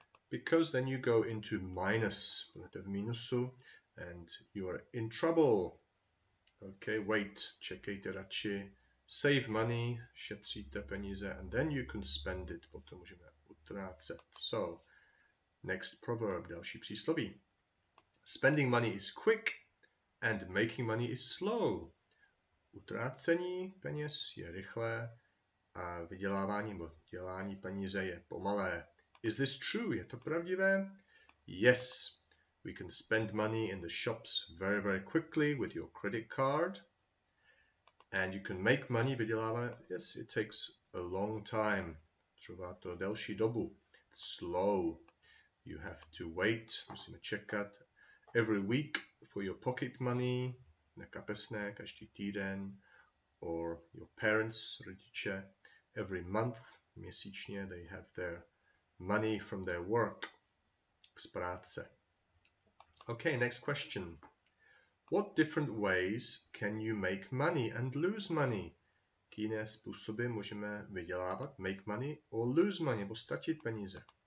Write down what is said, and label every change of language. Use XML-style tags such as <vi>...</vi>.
<en>Because then you go into minus,</en> <cs>budete v minusu,</cs> <en>and you are in trouble. Okay, wait,</en> <cs>čekejte radši,</cs> <en>save money,</en> <cs>šetříte peníze,</cs> <en>and then you can spend it,</en> <cs>potom můžeme utrácet.</cs> <en>So, next proverb,</en> <cs>další přísloví.</cs> <en>Spending money is quick and making money is slow.</en> <cs>Utrácení peněz je rychlé a vydělávání nebo dělání peníze je pomalé.</cs> <en>Is this true?</en> <cs>Je to pravdivé?</cs> <en>Yes, we can spend money in the shops very, very quickly with your credit card. And you can make money,</en> <cs>vydělávat.</cs> <en>Yes, it takes a long time.</en> <cs>Trvá to delší dobu.</cs> <en>It's slow. You have to wait.</en> <cs>Musíme čekat</cs> <en>every week for your pocket money.</en> <cs>Na kapesné, každý týden.</cs> <en>Or your parents,</en> <cs>rodiče.</cs> <en>Every month,</en> <cs>měsíčně,</cs> <en>they have their money from their work,</en> <cs>z práce.</cs> <en>Okay, next question. What different ways can you make money and lose money?</en> <cs>Jaké jiné způsoby můžeme vydělávat,</cs> <en>make money or lose money,</en> <cs>nebo ztratit peníze?</cs>